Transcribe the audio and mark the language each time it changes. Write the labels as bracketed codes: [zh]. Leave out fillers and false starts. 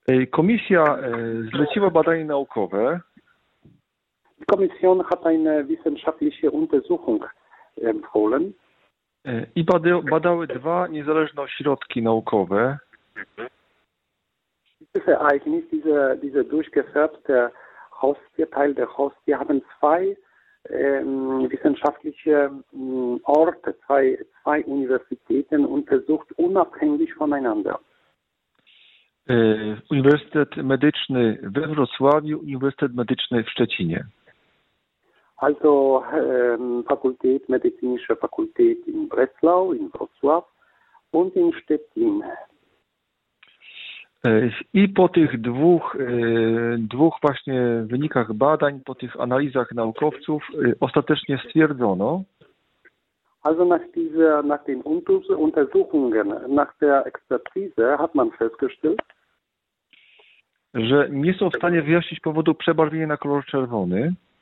[pl] Komisja zleciła badanie naukowe. [de] Die Kommission hat eine wissenschaftliche Untersuchung empfohlen. [pl] I badały dwa niezależne ośrodki naukowe. [de] Das Ereignis, diese durchgefärbte Hostie, Teil der Hostie, haben zwei wissenschaftliche Orte, zwei Universitäten untersucht, unabhängig voneinander. [pl] Uniwersytet Medyczny we Wrocławiu, Uniwersytet Medyczny w Szczecinie. [de] Also Fakultät, medizinische Fakultät in Breslau, in Wrocław und in Stettin. [pl] I po tych dwóch właśnie wynikach badań, po tych analizach naukowców ostatecznie stwierdzono. [de] Also nach den Untersuchungen, nach der Expertise hat man festgestellt, [pl] że nie są w stanie wyjaśnić powodu przebarwienia na kolor czerwony.